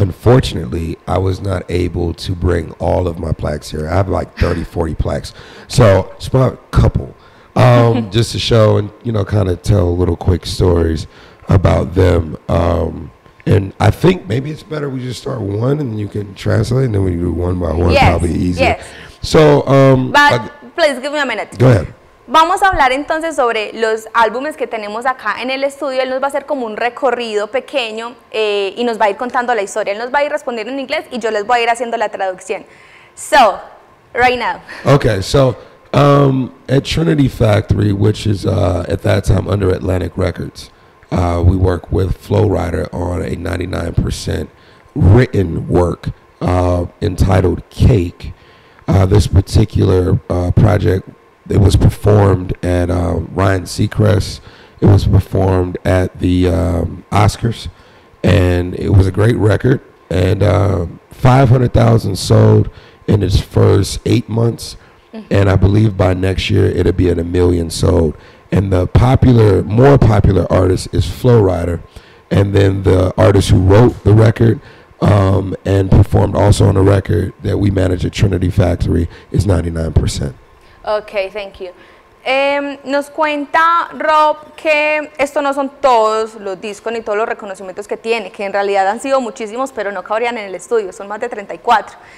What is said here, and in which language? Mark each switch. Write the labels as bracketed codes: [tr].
[en] Unfortunately, I was not able to bring all of my plaques here. I have like 30, 40 plaques. So it's about a couple. just to show and, you know, kind of tell little quick stories about them. And I think maybe it's better we just start one and you can translate, and then we do one by one, yes, probably easier. Yes. So, but please give me a minute. Go ahead. [es] Vamos a hablar entonces sobre los álbumes que tenemos acá en el estudio. Él nos va a hacer como un recorrido pequeño y nos va a ir contando la historia. Él nos va a ir respondiendo en inglés y yo les voy a ir haciendo la traducción. [en] So, right now. Okay, so at Trinity Factory, which is at that time under Atlantic Records, we work with Flo Rida on a 99% written work entitled Cake. This particular project, it was performed at Ryan Seacrest. It was performed at the Oscars, and it was a great record. And 500,000 sold in its first 8 months, and I believe by next year it'll be at a million sold. And the more popular artist is Flo Rida, and then the artist who wrote the record and performed also on a record that we manage at Trinity Factory is 99%. Okay, thank you. [es] Nos cuenta Rob que esto no son todos los discos ni todos los reconocimientos que tiene, que en realidad han sido muchísimos, pero no cabrían en el estudio, son más de 34.